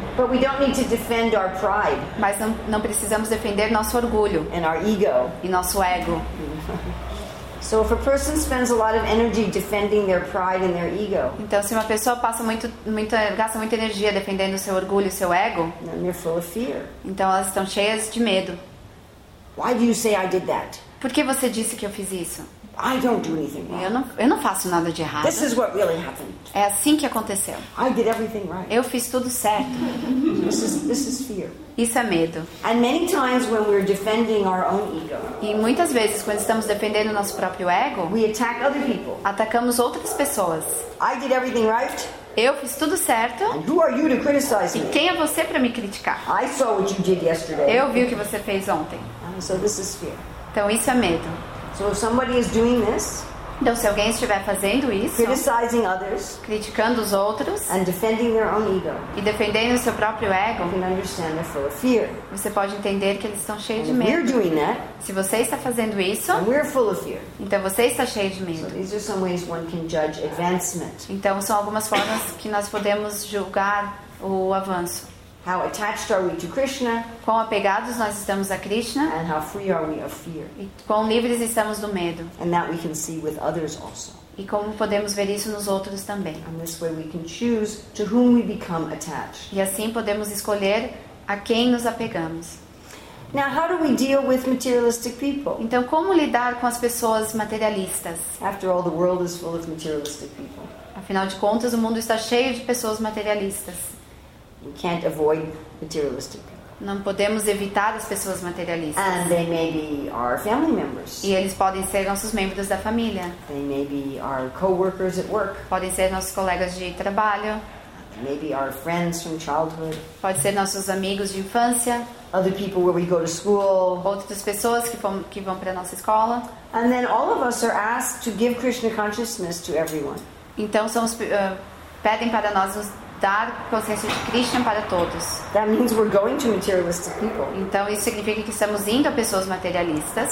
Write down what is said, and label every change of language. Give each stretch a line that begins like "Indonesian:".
English: But we don't need to defend our pride.
Portuguese: Mas não precisamos defender nosso orgulho.
English: And our ego.
Portuguese: E nosso ego.
English: So if a person spends a lot of energy defending their pride and their ego.
Portuguese: Então se uma pessoa passa gasta muita energia defendendo seu orgulho, seu ego.
English: Then they're full of fear.
Portuguese: Então elas estão cheias de medo.
English: Why do you say I did that?
Portuguese: Por que você disse que eu fiz isso?
English: I don't do anything wrong.
Portuguese: Eu não faço nada de errado.
English: This is what really happened.
Portuguese: É assim que aconteceu.
English: I did everything right.
Portuguese: Eu fiz tudo certo.
English: This is fear.
Portuguese: Isso é medo.
English: And many times when we're defending our own ego.
Portuguese: E muitas vezes quando estamos defendendo nosso próprio ego,
English: we attack other people.
Portuguese: Atacamos outras pessoas.
English: I did everything right.
Portuguese: Eu fiz tudo certo.
English: And who are you to criticize me?
Portuguese: E quem é você para me criticar?
English: I saw what you did yesterday.
Portuguese: Eu vi o que você fez ontem.
English: So this is fear.
Portuguese: Então isso é medo.
English: So if somebody is doing this,
Portuguese: então se alguém estiver fazendo isso,
English: criticizing others,
Portuguese: criticando os outros,
English: and defending their own ego,
Portuguese: e defendendo seu próprio ego,
English: you can understand they're full of fear.
Portuguese: Você pode entender que eles estão cheios
English: and
Portuguese: de medo.
English: We're doing that,
Portuguese: se você está fazendo isso,
English: and we're full of fear.
Portuguese: Então você está cheio de medo.
English: So these are some ways one can judge advancement.
Portuguese: Então são algumas formas que nós podemos julgar o avanço.
English: How attached are we to Krishna?
Portuguese: Quão apegados nós estamos a Krishna?
English: And how free are we of fear?
Portuguese: E quão livres estamos do medo?
English: And that we can see with others also.
Portuguese: E como podemos ver isso nos outros também?
English: And this way we can choose to whom we become attached.
Portuguese: E assim podemos escolher a quem nos apegamos.
English: Now, how do we deal with materialistic people?
Portuguese: Então, como lidar com as pessoas materialistas?
English: After all, the world is full of materialistic people.
Portuguese: Afinal de contas, o mundo está cheio de pessoas materialistas.
English: We can't avoid materialistic.
Portuguese: Não podemos evitar as pessoas materialistas.
English: And they may be our family members.
Portuguese: E eles podem ser nossos membros da família.
English: They may be our co-workers at work.
Portuguese: Podem ser nossos colegas de trabalho.
English: They may be our friends from childhood.
Portuguese: Pode ser nossos amigos de infância.
English: Other people where we go to school.
Portuguese: Outras pessoas que vão para nossa escola.
English: And then all of us are asked to give Krishna consciousness to everyone.
Portuguese: Então somos pedem para nós dar consciência de Krishna para todos.
English: That means we're going to materialistic people.
Portuguese: Então isso significa que estamos indo a pessoas materialistas.